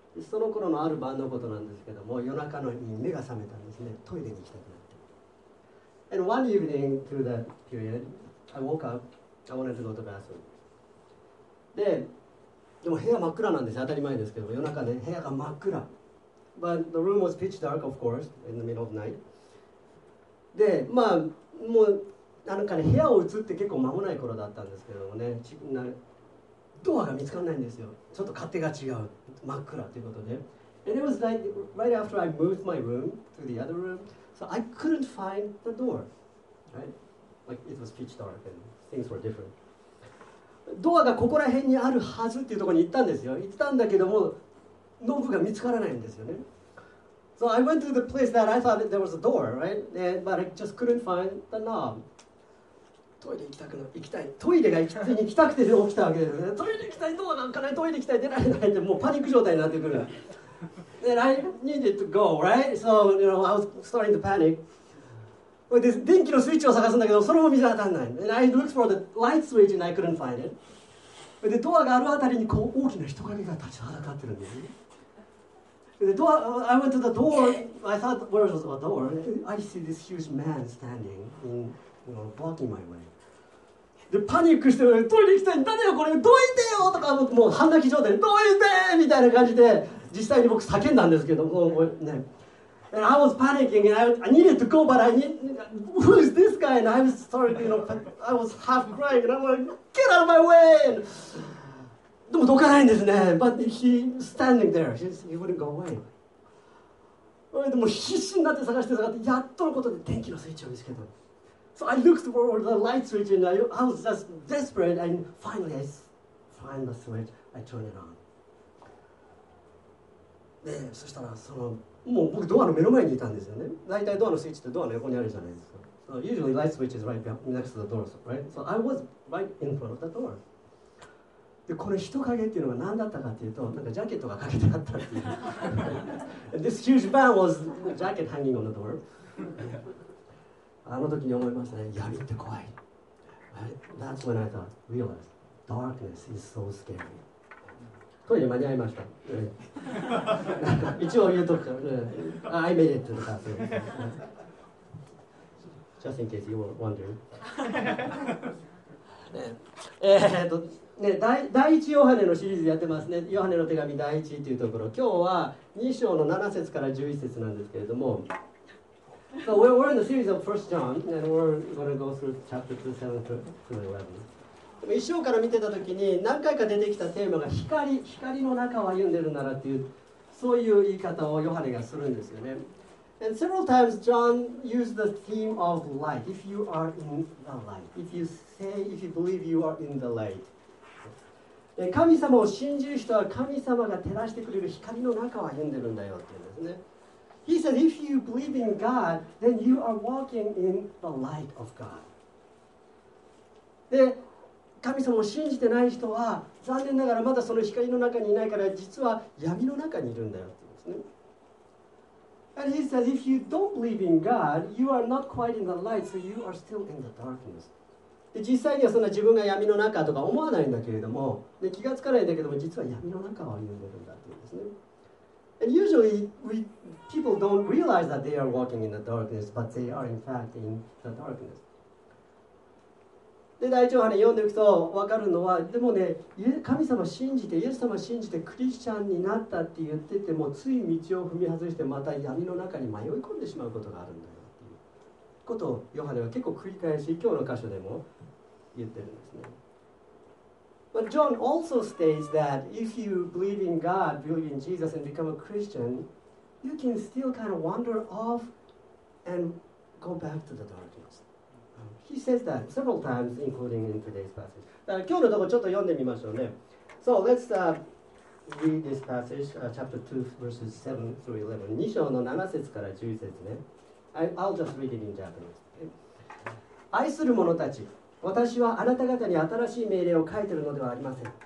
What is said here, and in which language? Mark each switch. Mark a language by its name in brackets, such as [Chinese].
[Japanese] その頃のあるバンドのことなんですけども、夜中のに目が覚めたんですね。トイレに行きたくなって。 [English] And one evening through that period, I woke up, I wanted to go to the bathroom. [Japanese] でも部屋真っ暗なんです。当たり前ですけど、夜中ね、部屋が真っ暗。 [English] But the room was pitch dark, of course, in the middle of night. [Japanese] で、まあ、もう、なんかね、部屋を移って結構間もない頃だったんですけどもね、ドアが見つからないんですよ。ちょっと勝手が違う。真っ暗ということで。 [English] And it was like, right after I moved my room to the other room, so I couldn't find the door, right? Like, it was pitch dark and things were different. [Japanese] ドアがここら辺にあるはずっていうところに行ったんですよ。行ったんだけども、ノブが見つからないんですよね。 [English] So I went to the place that I thought that there was a door, right? And, but I just couldn't find the knob. [Japanese] トイレ行きたくな、行きたい。トイレが行きたくて起きたわけですね。トイレ行きたい、ドアなんかない、トイレ行きたい、出られないって、もうパニック状態になってくる。 [English] And I needed to go, right? So, you know, I was starting to panic. But this, [Japanese] 電気のスイッチを探すんだけど、それも見当たらない。 [English] And I looked for the light switch and I couldn't find it. But the [Japanese] ドアがあるあたりにこう大きな人影が立ちはだかってるんですね。 [English] The door, I went to the door, I thought, where was the door? I see this huge man standing, in, you know, blocking my way. [Japanese] で、パニックして、トイレ行きたい、誰よこれ、どいてよとか、もう半泣き状態で、どいてみたいな感じで、実際に僕叫んだんですけど、もうね。 [English] And I was panicking, and I needed to go, but I need, who is this guy? And I was starting, you know, I was half crying, and I'm like, get out of my way! [Japanese] And,でもどかないんですね。 [English] But he standing there, he wouldn't go away. [Japanese] でも必死になって探して探って、やっとのことで電気のスイッチを見つけた。 [English] So I looked for the light switch and I was just desperate and finally I find the switch, I turn it on. [Japanese] で、そしたらその、もう僕ドアの目の前にいたんですよね。大体ドアのスイッチってドアの横にあるじゃないですか。 [English] So usually light switch is right next to the door, right? So I was right in front of the door. [Japanese] で、この人影っていうのが何だったかっていうと、なんかジャケットがかけてあったっていう。 [English] This huge man was jacket hanging on the door. [Japanese] あの時に思いましたね。闇って怖い。 [English] That's when I thought, realized, darkness is so scary. [Japanese] トイレ間に合いました。一応言うとくから、 [English] I made it to the bathroom. Just in case you wonder. [Japanese] ね、第一ヨハネのシリーズやってますね。ヨハネの手紙第一っていうところ、今日は2章の7節から11節なんですけれども [English] So we're in the series of 1 John and we're going to go through chapter 2, 7 through 11。 [Japanese] 1章から見てた時に何回か出てきたテーマが光の中を歩んでるならっていう、そういう言い方をヨハネがするんですよね。 [English] And several times John used the theme of light. If you are in the light, if you say, if you believe you are in the light、 [Japanese] 神様を信じる人は神様が照らしてくれる光の中を歩んでるんだよって言うんですね。 [English] He said, if you believe in God, then you are walking in the light of God. [Japanese] で、神様を信じてない人は残念ながらまだその光の中にいないから実は闇の中にいるんだよって言うんですね。 [English] And he said, if you don't believe in God, you are not quite in the light, so you are still in the darkness. [Japanese] で、実際にはそんな自分が闇の中とか思わないんだけれども、で、気がつかないんだけども、実は闇の中を歩んでるんだっていうんですね。 [English] And usually, people don't realize that they are walking in the darkness, but they are in fact in the darkness. [Japanese] で、第一話に読んでいくと分かるのは、でもね、神様信じて、イエス様信じてクリスチャンになったって言ってても、つい道を踏み外してまた闇の中に迷い込んでしまうことがあるんだよ。ことをヨハネは結構繰り返し今日の箇所でも言ってるんですね。 [English] But John also states that if you believe in God, believe in Jesus and become a Christian, you can still kind of wander off and go back to the darkness. He says that several times, including in today's passage. [Japanese] だから今日のところちょっと読んでみましょうね。 [English] So let's read this passage, chapter 2, verses 7 through 11. [Japanese] 2章の7節から11節ね。 [English] I'll just read it in Japanese. [Japanese] 愛する者たち、私はあなた方に新しい命令を書いているのではありません。